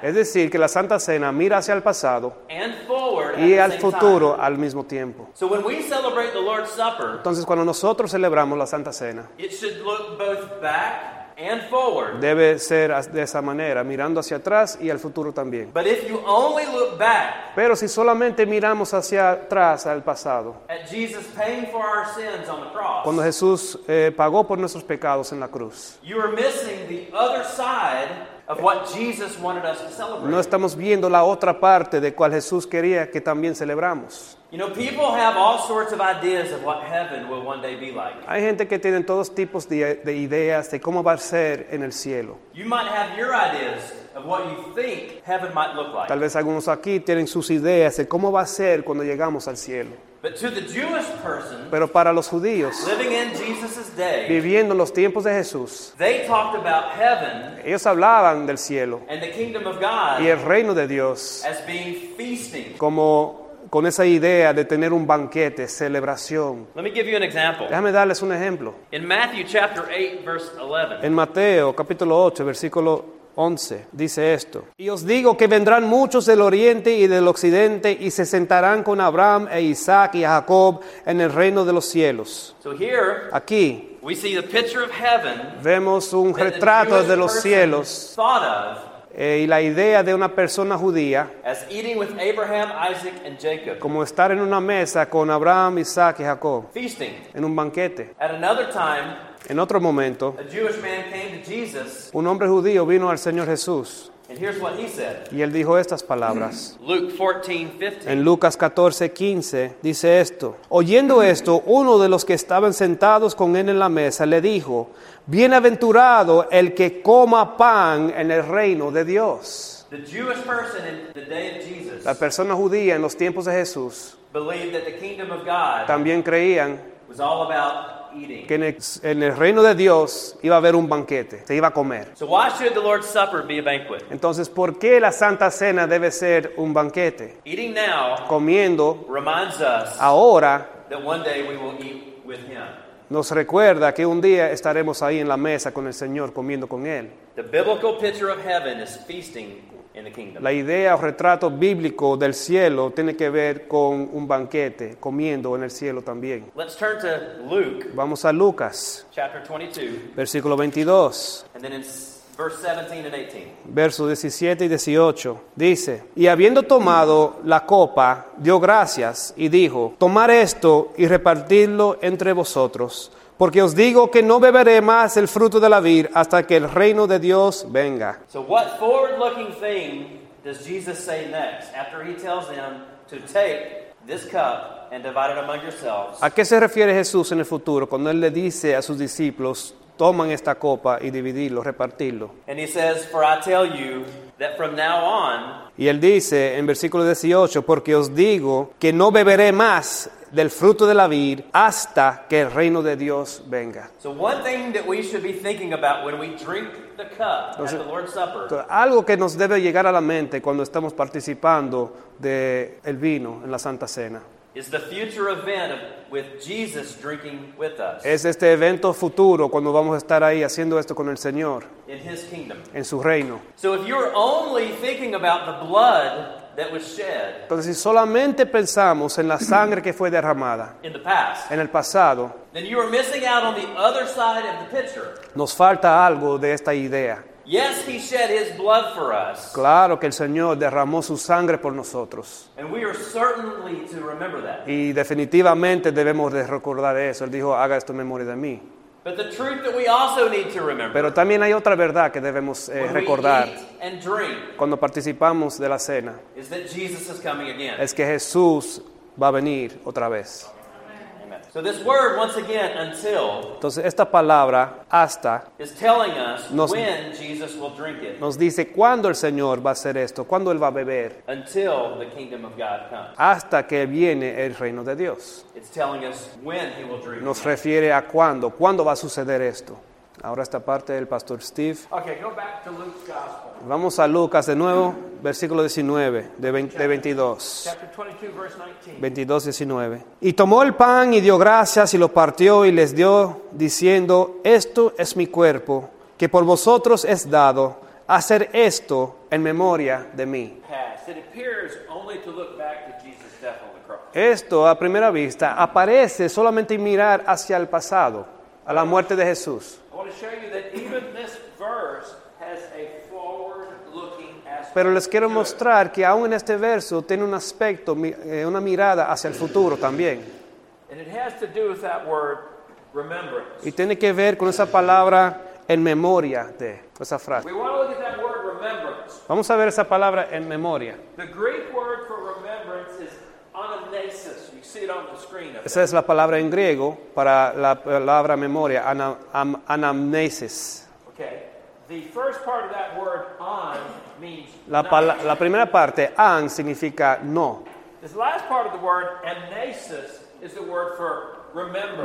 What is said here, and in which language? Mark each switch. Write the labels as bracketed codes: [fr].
[es] es decir, que la Santa Cena mira hacia el pasado [en] and forward [es] y al futuro al mismo tiempo. [en] So when we celebrate the Lord's Supper, [es] entonces cuando nosotros celebramos la Santa Cena, [en] it should look both back and forward, [es] debe ser de esa manera, mirando hacia atrás y al futuro también. [en] But if you only look back, [es] pero si solamente miramos hacia atrás, al pasado, [en] at Jesus paying for our sins on the cross, [es] cuando Jesús pagó por nuestros pecados en la cruz, [en] you are missing the other side of what Jesus wanted us to celebrate. [es] No estamos viendo la otra parte de cual Jesús quería que también celebramos. [en] You know, people have all sorts of ideas of what heaven will one day be like. [es] Hay gente que tienen todos tipos de ideas de cómo va a ser en el cielo. [en] You might have your ideas of what you think heaven might look like. [es] Tal vez algunos aquí tienen sus ideas de cómo va a ser cuando llegamos al cielo. [en] But to the Jewish person, [es] pero para los judíos, [en] living in Jesus's day, [es] viviendo en los tiempos de Jesús, [en] they talked about heaven, [es] ellos hablaban del cielo, [en] and the kingdom of God, [es] y el reino de Dios, [en] as being feasting, [es] como con esa idea de tener un banquete, celebración. [en] Let me give you an example. [es] Déjame darles un ejemplo. [en] In Matthew chapter 8, verse 11. [es] En Mateo capítulo 8, versículo 11, dice esto: y os digo que vendrán muchos del oriente y del occidente y se sentarán con Abraham e Isaac y Jacob en el reino de los cielos. [en] So here, [es] aquí [en] we see the picture of heaven, [es] vemos un retrato de los cielos, [en] thought of, [es] y la idea de una persona judía, [en] as eating with Abraham, Isaac, and Jacob, [es] como estar en una mesa con Abraham, Isaac y Jacob, [en] feasting, [es] en un banquete. [en] At another time, [es] en otro momento, [en] a Jewish man came to Jesus, [es] un hombre judío vino al Señor Jesús. [en] And here's what he said. [es] Y él dijo estas palabras. [en] Luke 14, 15. [es] En Lucas 14, 15, dice esto: oyendo esto, uno de los que estaban sentados con él en la mesa le dijo: bienaventurado el que coma pan en el reino de Dios. [en] The Jewish person in the day of Jesus, [es] la persona judía en los tiempos de Jesús, [en] believed that the kingdom of God, [es] también creían, [en] was all about [es] que en el reino de Dios iba a haber un banquete, se iba a comer. [en] So why should the Lord's Supper be a banquet? [es] Entonces, ¿por qué la Santa Cena debe ser un banquete? [en] Eating now, [es] comiendo, [en] reminds us [es] ahora, [en] that one day we will eat with him. [es] Nos recuerda que un día estaremos ahí en la mesa con el Señor comiendo con él. [en] The biblical picture of heaven is feasting in the kingdom. [es] La idea o retrato bíblico del cielo tiene que ver con un banquete, comiendo en el cielo también. [en] Let's turn to Luke. [es] Vamos a Lucas. [en] Chapter 22. [es] Versículo 22. [en] And then in verse 17 and 18. [es] Verso 17 y 18. Dice, y habiendo tomado la copa, dio gracias y dijo, tomar esto y repartidlo entre vosotros, porque os digo que no beberé más el fruto de la vid hasta que el reino de Dios venga. [en] So what forward-looking thing does Jesus say next after he tells them to take this cup and divide it among yourselves? [es] ¿A qué se refiere Jesús en el futuro cuando él le dice a sus discípulos, toman esta copa y dividirlo, repartirlo? [en] And he says, for I tell you that from now on, [es] y él dice en versículo 18, porque os digo que no beberé más del fruto de la vid hasta que el reino de Dios venga. [en] So one thing that we should be thinking about when we drink the cup at the Lord's Supper. [es] Algo que nos debe llegar a la mente cuando estamos participando del vino en la Santa Cena. [en] Is the future event with Jesus drinking with us. [es] Es este evento futuro cuando vamos a estar ahí haciendo esto con el Señor. [en] In his kingdom. [es] En su reino. [en] So if you're only thinking about the blood that was shed. [es] Entonces, si solamente pensamos en la sangre que fue derramada. [en] In the past. [es] En el pasado. [en] Then you are missing out on the other side of the picture. [es] Nos falta algo de esta idea. [en] Yes, he shed his blood for us. [es] Claro que el Señor derramó su sangre por nosotros. [en] And we are certainly to remember that. [es] Y definitivamente debemos de recordar eso. Él dijo, haga esto en memoria de mí. [en] But the truth that we also need to remember. [es] Pero también hay otra verdad que debemos recordar. [en] And drink, [es] cuando participamos de la cena. [en] Is that Jesus is coming again. [es] Es que Jesús va a venir otra vez. [en] So this word, once again, until. [es] Entonces esta palabra, hasta. [en] Is telling us when Jesus will drink it. [es] Nos dice cuándo el Señor va a hacer esto, cuándo Él va a beber. [en] Until the kingdom of God comes. [es] Hasta que viene el reino de Dios. [en] It's telling us when He will drink it. [es] Nos refiere a cuándo, cuándo va a suceder esto. Ahora esta parte del pastor Steve. [en] Okay, go back to Luke's gospel. [es] Vamos a Lucas de nuevo, versículo 19, de 22. [en] Chapter 22, verse 19. [es] 22, 19. Y tomó el pan y dio gracias y lo partió y les dio, diciendo, esto es mi cuerpo, que por vosotros es dado, hacer esto en memoria de mí. [en] It appears only to look back to Jesus' death on the cross. [es] Esto, a primera vista, aparece solamente en mirar hacia el pasado, a la muerte de Jesús. [en] I want to show you that even this verse has a forward-looking aspect. [es] Pero les quiero mostrar que aún en este verso tiene un aspecto, una mirada hacia el futuro también. [en] And it has to do with that word, remembrance. [es] Y tiene que ver con esa palabra en memoria de esa frase. [en] We want to look at that word, remembrance. [es] Vamos a ver esa palabra en memoria. [en] The Greek word for remembrance is anamnesis. See it on the screen up there. [es] Esa es la palabra en griego para la palabra memoria, anamnesis. [en] Okay. The first part of that word an means [es] la primera parte an significa no. [en] This last part of the word amnesis is the word for remember.